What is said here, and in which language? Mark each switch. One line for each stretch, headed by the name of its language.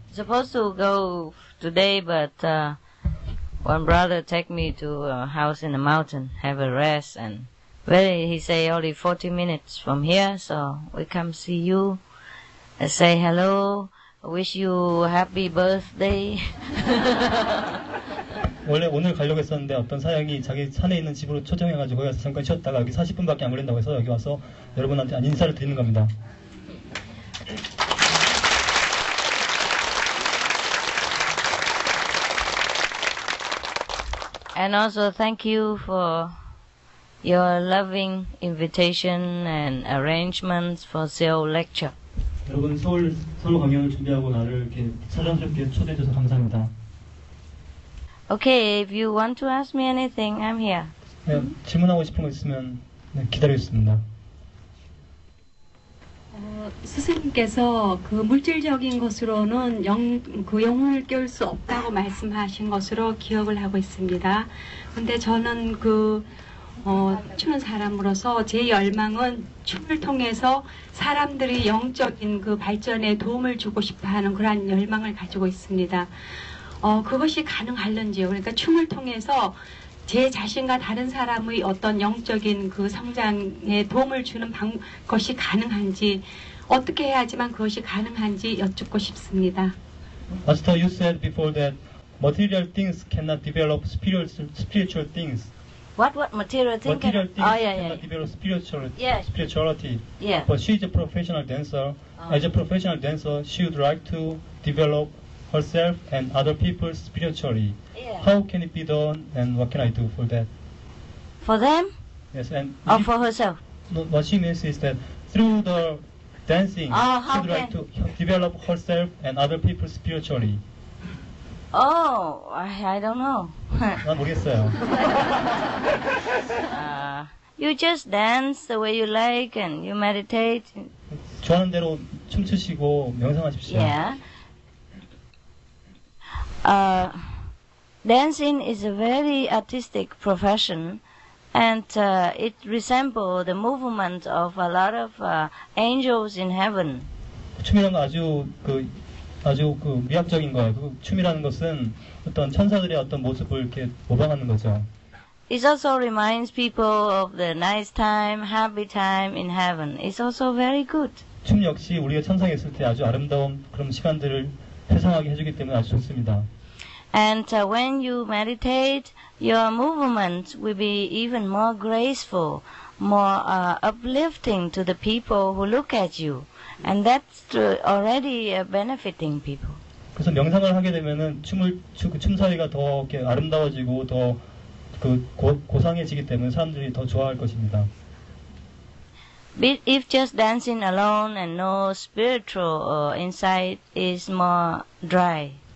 English: Supposed to go today, but one brother take me to a house in the mountain, have a rest, and very, he say only 40 minutes from here, so we come see you, say hello, wish you happy birthday.
Korean: 원래 오늘 가려고 했었는데 어떤 사양이 자기 산에 있는 집으로 초청해가지고 거기 가서 잠깐 쉬었다가 여기 40분밖에 안 걸린다고 해서 여기 와서 여러분한테 인사를 드리는 겁니다.
English: And also thank you for your loving invitation and arrangements for Seoul lecture.
Korean: 여러분 서울 서로 강연을 준비하고 나를 이렇게 사랑스럽게 초대해 주셔서 감사합니다.
English: Okay, if you want to ask me anything, I'm here.
Korean: 네, 질문하고 싶은 거 있으면 네, 기다리겠습니다. 스승님께서 그 물질적인 것으로는 그 영혼을 깨울 수 없다고 말씀하신 것으로 기억을 하고 있습니다. 근데 저는 그 춤은 사람으로서 제 열망은 춤을 통해서 사람들이 영적인 그 발전에 도움을 주고 싶어 하는 그런 열망을 가지고 있습니다. 그것이 가능할는지요. 그러니까 춤을 통해서 제 자신과 다른 사람의 어떤 영적인 그 성장에 도움을 주는 것이 가능한지, 어떻게 해야지만 그것이 가능한지 여쭙고 싶습니다.
English: Master, you said before that material things cannot develop spiritual things. What material things? Material things cannot develop spirituality. Yeah. But she is a professional dancer. As a professional dancer, she would like to develop herself and other people spiritually. Yeah. How can it be done and what can I do for that? For them? Yes, and or for herself? No, what she means is that through the dancing, she would like to develop herself and other people spiritually. Oh, I don't know.
Korean: 난 모르겠어요.
English: You just dance the way you like and you meditate.
Korean: 좋아하는 대로 춤추시고 명상하십시오.
English: Yeah. Dancing is a very artistic profession, and it resembles the movement of a lot of angels in heaven.
Korean: 춤이라는 건 아주 미학적인 거예요. 그 춤이라는 것은 어떤 천사들의 어떤 모습을 이렇게 모방하는 거죠.
English: It also reminds people of the nice time, happy time in heaven. It's also very good.
Korean: 춤 역시 우리가 천상에 있을 때 아주 아름다운 그런 시간들을 회상하게 해주기 때문에 아주 좋습니다.
English: And when you meditate, your movement will be even more graceful, more uplifting to the people who look at you. And that's already benefiting people.
Korean: 그래서 명상을 하게 되면은 춤 사이가 더 이렇게 아름다워지고 더 그 고상해지기 때문에 사람들이 더 좋아할 것입니다.
English: If just dancing alone and no spiritual insight is more dry.